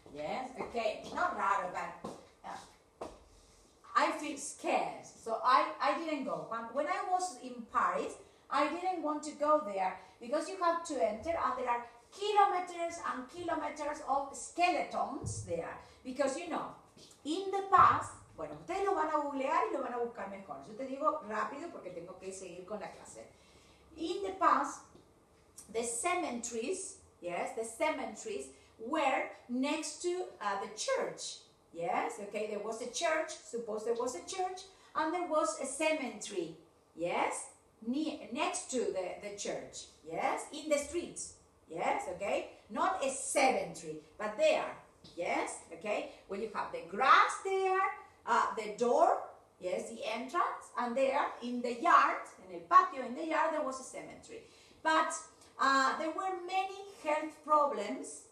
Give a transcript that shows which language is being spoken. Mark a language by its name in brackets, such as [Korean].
[English] Yes, okay, not raro, but I feel scared, so I didn't go. When I was in Paris, I didn't want to go there because you have to enter and there are kilometers and kilometers of skeletons there. Because, you know, in the past, [Spanish] bueno, ustedes lo van a googlear y lo van a buscar mejor. Yo te digo rápido porque tengo que seguir con la clase. [English] In the past, the cemeteries, yes, the cemeteries, were next to the church. Yes, okay, there was a church, suppose there was a church, and there was a cemetery, yes, next to the church, yes, in the streets, yes, okay, not a cemetery, but there, yes, okay, well, you have the grass there, the door, yes, the entrance, and there, in the yard, in [Spanish] el patio, [English] in the yard, there was a cemetery, but there were many health problems.